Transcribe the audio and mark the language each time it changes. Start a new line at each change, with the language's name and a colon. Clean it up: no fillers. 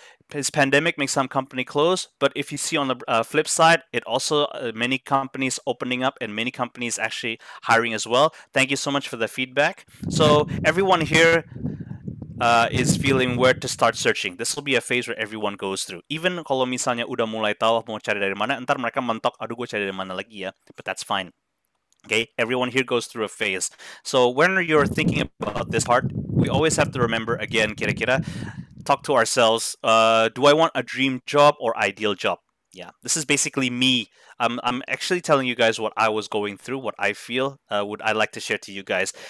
English: This pandemic makes some company close, but if you see on the flip side, it also many companies opening up and many companies actually hiring as well. Thank you so much for the feedback. So everyone here is feeling where to start searching. This will be a phase where everyone goes through.
Indonesian: Even kalau misalnya udah mulai tahu mau cari dari mana, ntar mereka mentok, aduh gue cari dari mana lagi ya.
English: But that's fine. Okay, everyone here goes through a phase. So when you're thinking about this part, we always have to remember again, kira-kira, talk to ourselves, do I want a dream job or ideal job? Yeah, this is basically me. I'm actually telling you guys what I was going through, what I feel would I like to share to you guys.